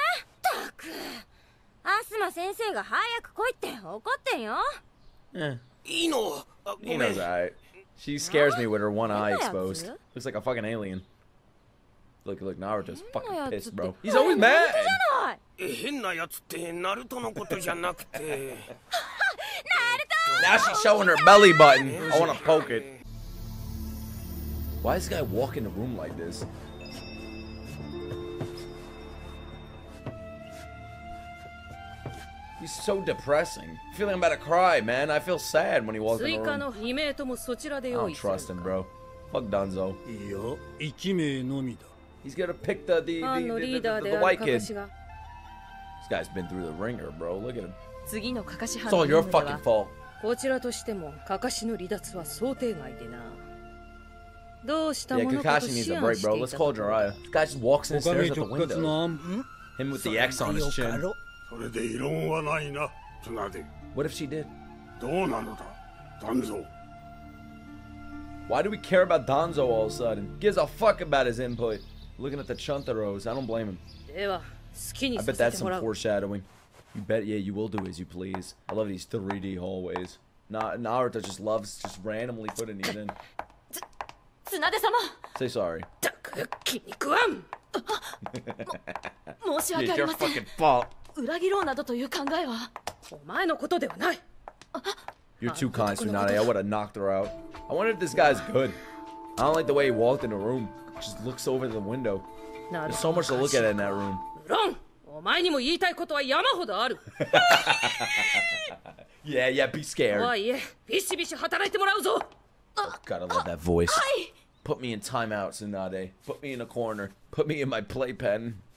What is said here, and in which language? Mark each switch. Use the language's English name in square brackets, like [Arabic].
[Japanese] ったく、アスマ先生が早く来いって怒ってんよ。うん、いいの。 [English] He knows that. She scares me with her one eye exposed. Looks like a fucking alien. Look, Naruto's fucking pissed, bro. He's always mad! Now she's showing her belly button. I wanna poke it. Why is this guy walking the room like this? He's so depressing. I feel like I'm about to cry, man. I feel sad when he walks in the room. I don't trust him, bro. Fuck Danzo. He's gonna pick the white kid. This guy's been through the ringer, bro. Look at him. It's all your fucking fault. [Japanese] こちらとしても、カカシの離脱は想定外でな。どうしたものかと思ったら、 [English] Bro, let's call Jiraiya. This guy just walks and stares at the window. Him with the X on his chin. [Japanese] それで異論はないな、つなで。 [English] What if she did? [Japanese] どうなのだ、ダンゾ。 [English] Why do we care about Danzo all of a sudden? Gives a fuck about his input. Looking at the Chuntaros, I don't blame him. [Japanese] では、好きにさせてもらう。 [English] I bet that's some foreshadowing. You bet, yeah, you will do as you please. I love these 3D hallways. Naruto just loves just randomly putting these in. [Japanese] Tsunade-sama! [English] Say sorry. [Japanese] Kimi-kun! [English] It's your fucking fault. [Japanese] Uragiro nado to iu kangae wa omae no koto dewa nai. [English] You're too kind, Tsunade. I would have knocked her out. I wonder if this guy's good. I don't like the way he walked in the room. Just looks over the window. There's so much to look at in that room. Wrong! [Japanese] お前にも言いたいことは山ほどある。 [English] Yeah, yeah, be scared. [Japanese] はい、ビシビシ働いてもらうぞ。 [English] Gotta love that voice. [Japanese] はい。 [English] Put me in timeout, Tsunade. Put me in a corner. Put me in my playpen.